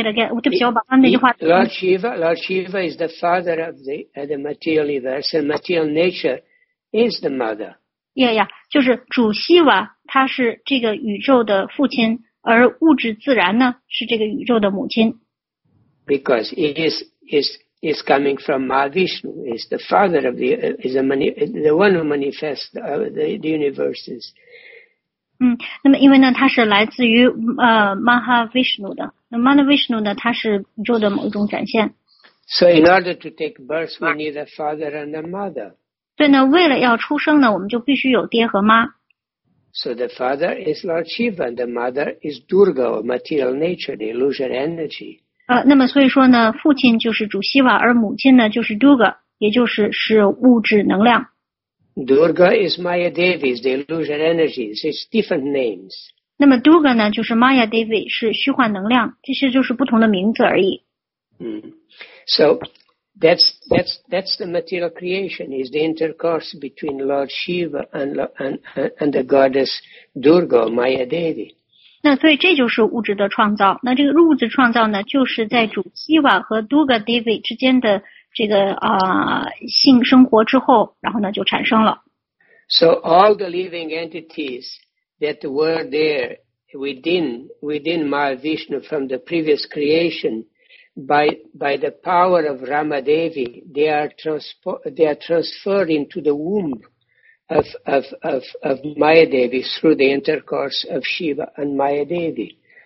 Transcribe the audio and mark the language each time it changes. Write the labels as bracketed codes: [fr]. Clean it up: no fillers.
[en] Lord Shiva is the father of the material universe, and material nature is the mother. Yeah, yeah. [zh] 就是主希瓦，他是这个宇宙的父亲，而物质自然呢，是这个宇宙的母亲。 [en] Because it is coming from Mahavishnu, is the father of the one who manifests the universes. [zh] 那么因为呢，它是来自于Mahavishnu 的。那 Mahavishnu 呢，它是宇宙的某一种展现。 [en] So in order to take birth, we need a father and a mother. [zh] 对呢，为了要出生呢，我们就必须有爹和妈。 [en] So the father is Lord Shiva, and the mother is Durga, or material nature, the illusion energy. [zh] 那么所以说呢，父亲就是主希瓦，而母亲呢就是 Durga, 也就是物质能量。 [en] Durga is Maya Devi, the illusion energy. It's different names. [zh] 那么 Durga 呢，就是 Maya Devi, 是虚幻能量，这些就是不同的名字而已。 [en] So that's the material creation is the intercourse between Lord Shiva and the goddess Durga, Maya Devi. [zh] 那所以这就是物质的创造。那这个物质创造呢，就是在主 Shiva 和 Durga Devi 之间的。这个性生活之后，然后呢就产生了。 [en] So all the living entities that were there within Mahavishnu from the previous creation, by the power of Ramadevi, they are transferred into the womb of Maya Devi through the intercourse of Shiva and Maya Devi.